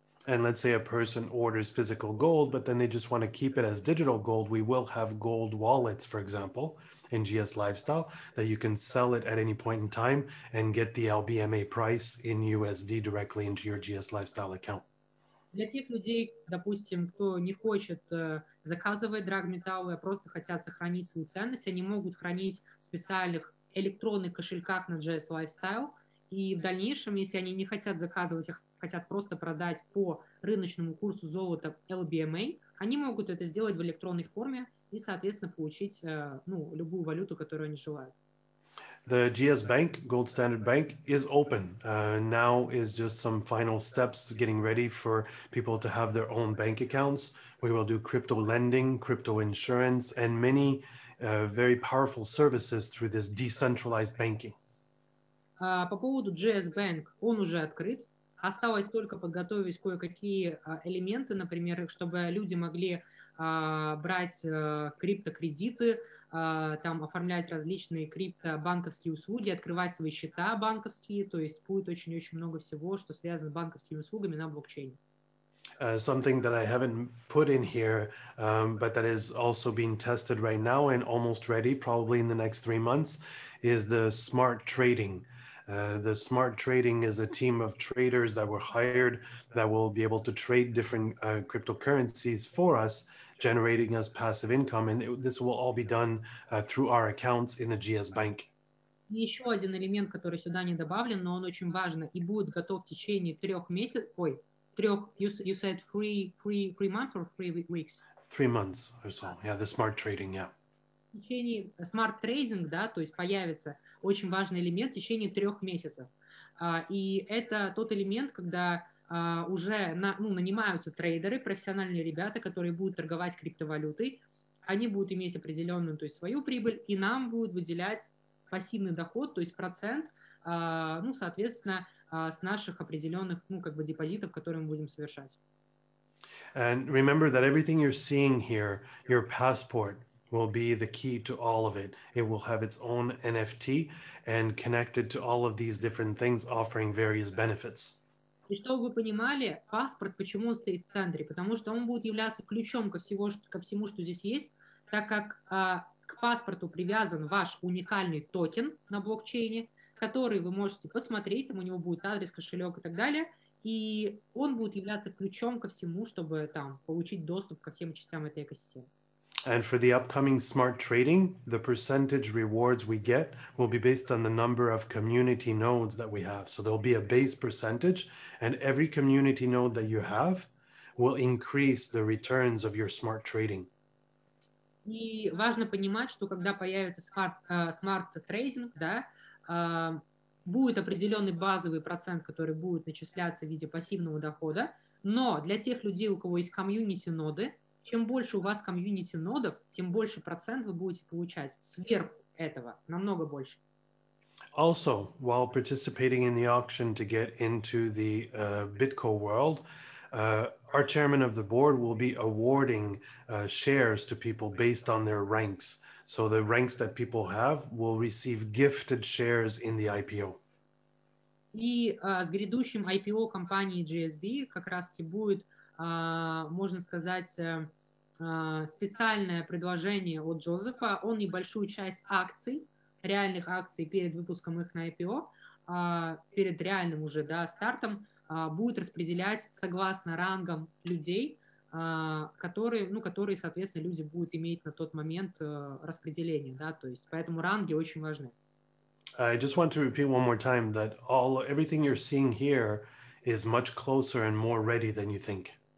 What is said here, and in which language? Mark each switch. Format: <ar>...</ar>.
<en>And let's say a person orders physical gold, but then they just want to keep it as digital gold, we will have gold wallets, for example, in GS Lifestyle, that you can sell it at any point in time and get the LBMA price in USD directly into your GS Lifestyle account.</en> <ru>Для тех людей, допустим, кто не хочет заказывать драгметаллы, а просто хотят сохранить свою ценность, они могут хранить в специальных электронных кошельках на GS Lifestyle. И в дальнейшем, если они не хотят заказывать, а хотят просто продать по рыночному курсу золота LBMA, они могут это сделать в электронной форме и, соответственно, получить любую валюту, которую они желают.</ru> <en>The GS Bank, Gold Standard Bank, is open. Now is just some final steps getting ready for people to have their own bank accounts. We will do crypto lending, crypto insurance, and many very powerful services through this decentralized banking.</en> <ru>По поводу GS Bank, он уже открыт. Осталось только подготовить кое-какие элементы, например, чтобы люди могли брать криптокредиты, там оформлять различные криптобанковские услуги, открывать свои счета банковские, то есть будет очень-очень много всего, что связано с банковскими услугами на блокчейне.</ru> <en>Something that I haven't put in here, but that is also being tested right now and almost ready, probably in the next 3 months, is the smart trading. The smart trading is a team of traders that were hired that will be able to trade different cryptocurrencies for us, generating us passive income, and this will all be done through our accounts in the GS Bank.</en> <ru>Еще один элемент, который сюда не добавлен, но он очень важен и будет готов в течение трех месяцев. Ой, трех.</ru> <en>You said three months or 3 weeks? 3 months or so. Yeah, the smart trading. Yeah.</en> <ru>В течение smart trading, да, то есть появится очень важный элемент в течение трех месяцев. И это тот элемент, когда уже нанимаются трейдеры, профессиональные ребята, которые будут торговать криптовалютой. Они будут иметь определенную, то есть свою прибыль, и нам будут выделять пассивный доход, то есть процент, соответственно, с наших определенных, депозитов, которые мы будем совершать.</ru> <en>And remember that everything you're seeing here, your passport, will be the key to all of it. It will have its own NFT and connected to all of these different things, offering various benefits.</en> <ru>И чтобы вы понимали, паспорт, почему он стоит в центре? Потому что он будет являться ключом ко всему, что здесь есть, так как к паспорту привязан ваш уникальный токен на блокчейне, который вы можете посмотреть, там у него будет адрес, кошелек и так далее, и он будет являться ключом ко всему, чтобы там получить доступ ко всем частям этой экосистемы.</ru> <en>And for the upcoming smart trading, the percentage rewards we get will be based on the number of community nodes that we have. So there'll be a base percentage, and every community node that you have will increase the returns of your smart trading.</en> <ru>И важно понимать, что когда появится smart trading, да, будет определенный базовый процент, который будет начисляться в виде пассивного дохода, но для тех людей, у кого есть community ноды, чем больше у вас комьюнити нодов, тем больше процент вы будете получать сверху этого, намного больше.</ru> <en>Also, while participating in the auction to get into the BitCo world, our chairman of the board will be awarding shares to people based on their ranks. So the ranks that people have will receive gifted shares in the IPO.</en> <ru>И с грядущим IPO компании GSB как раз таки будет можно сказать, специальное предложение от Джозефа. Он небольшую часть акций, реальных акций перед выпуском их на IPO, перед реальным уже, да, стартом, будет распределять согласно рангам людей, которые, соответственно, люди будут иметь на тот момент распределение, да, то есть поэтому ранги очень важны.</ru> <en>I just want to repeat one more time that everything you're seeing here is much closer and more ready than you think.</en>